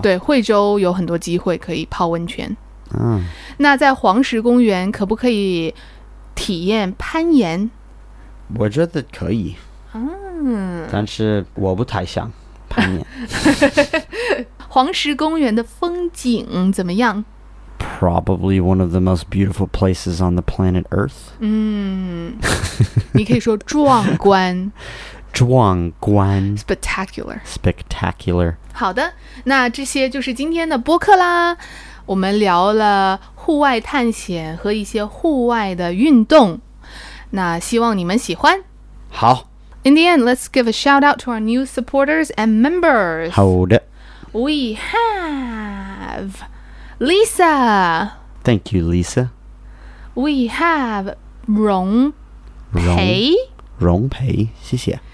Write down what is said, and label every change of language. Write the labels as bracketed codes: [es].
[zh] 对，惠州有很多机会可以泡温泉。那在黄石公园可不可以体验攀岩？我觉得可以、嗯、但是我不太想攀岩。黄石公园的风景怎么样？ [en] Probably one of the most beautiful places on the planet Earth. [zh] 嗯，你可以说壮观。壮观。 [en] Spectacular. Spectacular. [zh] 好的，那这些就是今天的播客啦。我们聊了户外探险和一些户外的运动，那希望你们喜欢。好。 [en] In the end, let's give a shout out to our new supporters and members. [zh] 好的。 [en] We have Lisa. Thank you, Lisa. We have 荣培。 [zh] 荣培，谢谢。